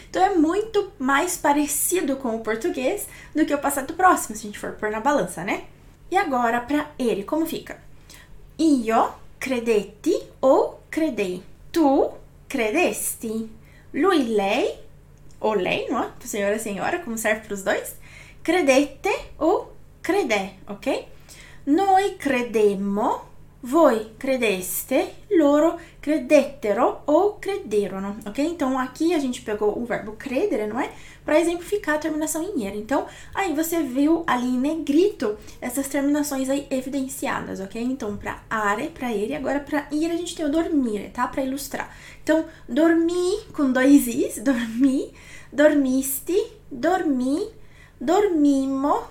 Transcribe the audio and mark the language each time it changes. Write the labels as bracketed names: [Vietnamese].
[Portuguese] Então, é muito mais parecido com o português do que o passado próximo, se a gente for pôr na balança, né? E agora, para ele, como fica? [Italian] Io credetti [Portuguese] ou [Italian] credei. Tu credesti. Lui, lei, ou lei, [Portuguese] não é? Pro senhor e senhora, como serve para os dois. [Italian] Credete ou credé, ok? Noi credemmo, voi credeste, loro credettero ou crederono, ok? [Portuguese] Então, aqui a gente pegou o verbo credere, não é? Para exemplificar a terminação em ier. Então, aí você viu ali em negrito essas terminações aí evidenciadas, ok? Então, para are, para ele, agora para ir a gente tem o dormire, tá? Para ilustrar. Então, dormi com dois is, [Italian] dormi, dormisti, dormi, dormimo.